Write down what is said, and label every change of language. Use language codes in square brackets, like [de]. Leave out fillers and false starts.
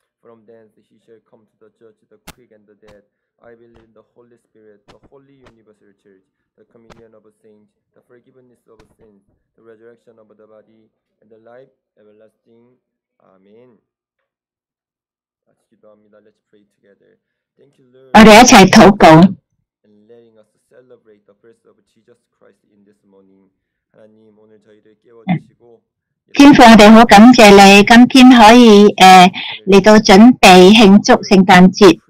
[en] From thence He shall come to the judge the quick and the dead. I believe in the Holy Spirit, the Holy Universal Church, the communion of saints, the forgiveness of sins, the resurrection of the body, and the life everlasting. Amen. [ko] 같이 기도합니다. [en] Let's pray together. Thank you, Lord, and letting us celebrate the birth of Jesus Christ in this morning. [ko] 하나님, 오늘 저희를 깨워주시고 [yue] 天父，我哋好感谢你，今天可以嚟到准备庆祝圣诞节。